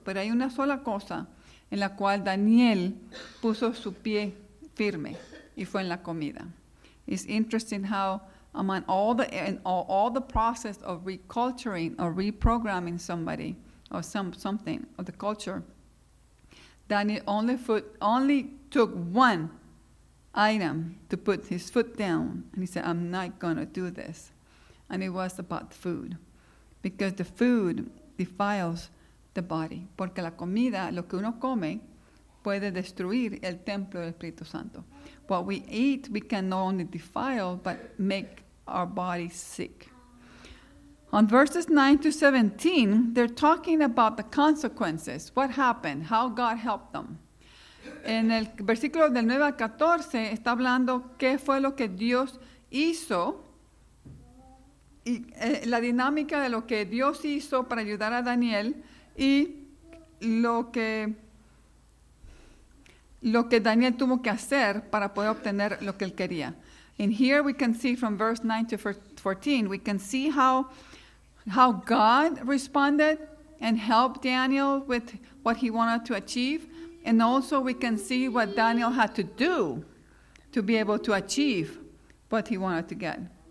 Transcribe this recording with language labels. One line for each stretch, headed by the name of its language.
Spanish: Pero hay una sola cosa en la cual Daniel puso su pie firme, y fue en la comida.
English: It's interesting how among all the process of reculturing or reprogramming somebody or something of the culture, Daniel only took one item to put his foot down, and he said, "I'm not going to do this." And it was about food, because the food defiles the body.
Spanish: Porque la comida, lo que uno come, puede destruir el templo del Espíritu Santo.
English: What we eat, we can not only defile, but make our body sick. On verses 9 to 17, they're talking about the consequences. What happened? How God helped them.
Spanish: En el versículo del 9 al 14, está hablando qué fue lo que Dios hizo. Y la dinámica de lo que Dios hizo para ayudar a Daniel y lo que Daniel tuvo que hacer para poder obtener lo que él quería.
English: And here we can see from verse 9 to 14, we can see how God responded and helped Daniel with what he wanted to achieve. And also we can see what Daniel had to do to be able to achieve what he wanted to get.